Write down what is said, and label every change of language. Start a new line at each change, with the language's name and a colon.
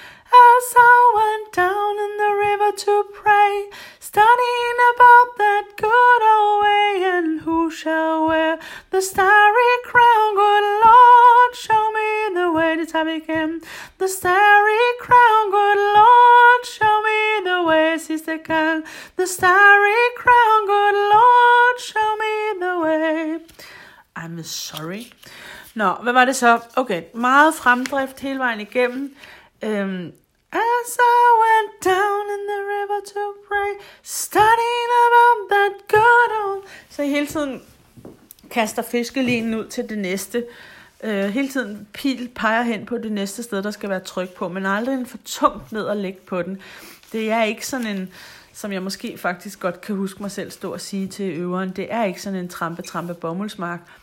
English: As I went down in the river to pray, studying about that good old way, and who shall wear the starry crown, good Lord, show me the way.
Danish: Det tager vi igen.
English: The starry crown, good Lord, show me the way,
Danish: sidste gang.
English: The starry crown, good Lord, show me the way. I'm sorry.
Danish: Nå, hvad var det så? Okay, meget fremdrift hele vejen igennem.
English: As I went down in the river to pray, studying about that good old...
Danish: Så hele tiden kaster fiskelinen ud til det næste. Hele tiden pil peger hen på det næste sted, der skal være tryk på, men aldrig en for tungt ned at lægge på den. Det er ikke sådan en, som jeg måske faktisk godt kan huske mig selv stå og sige til øveren, det er ikke sådan en trampe-trampe-bommelsmark.